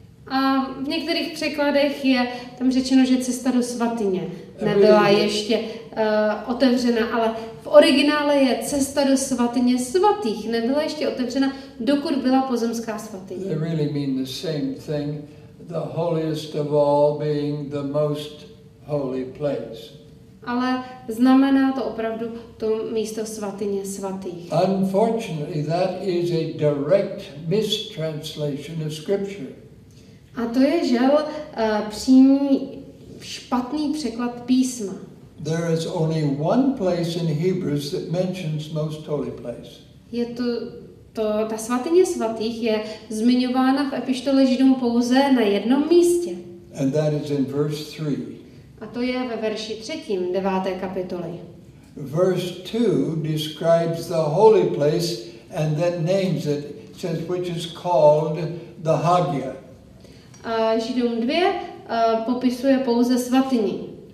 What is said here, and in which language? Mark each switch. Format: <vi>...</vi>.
<cs>A v některých překladech je tam řečeno, že cesta do svatyně nebyla ještě otevřena, ale v originále je cesta do svatyně svatých nebyla ještě otevřena, dokud byla pozemská svatyně.</cs> <en>They really mean the same thing, the holiest of all being the most holy place.</en> <cs>Ale znamená to opravdu to místo svatyně svatých.</cs> <en>Unfortunately, that is a direct mistranslation of scripture.</en> <cs>A to je žel přímý špatný překlad písma.</cs> <en>There is only one place in Hebrews that mentions most holy place.</en> <cs>Je to ta svatyně svatých je zmiňována v epištole Židům pouze na jednom místě.</cs> <en>And that is in verse 3.</en> <cs>A to je ve verši 3. 9. kapitoly.</cs> <en>Verse 2 describes the holy place and then names it, says which is called the Hagia.</en> <cs>Židům 2 popisuje pouze svatyni.</cs>